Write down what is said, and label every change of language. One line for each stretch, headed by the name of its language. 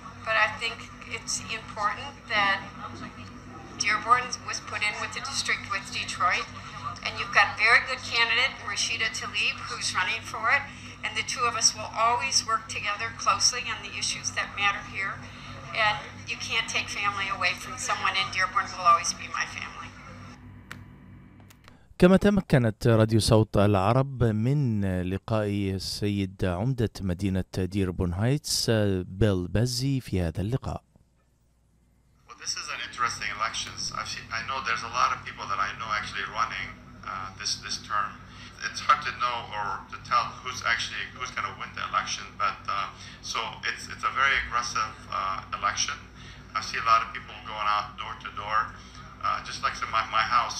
English: But I think it's important that Dearborn was put in with the district with Detroit. And you've got a very good candidate, Rashida Tlaib, who's running for it. And the two of us will always work together closely on the issues that matter here. And you can't take family away from someone, and Dearborn will always be my family.
Arabic: كما تمكنت راديو صوت العرب من لقاء السيد عمدة مدينة ديربون هايتس بيل بازي في هذا اللقاء.
English: Well, this is an interesting election. I know there's a lot of people that I know actually running this term. It's hard to know or to tell who's going to win the election, but so it's a very aggressive election. I see a lot of people going out door to door, just like in my house.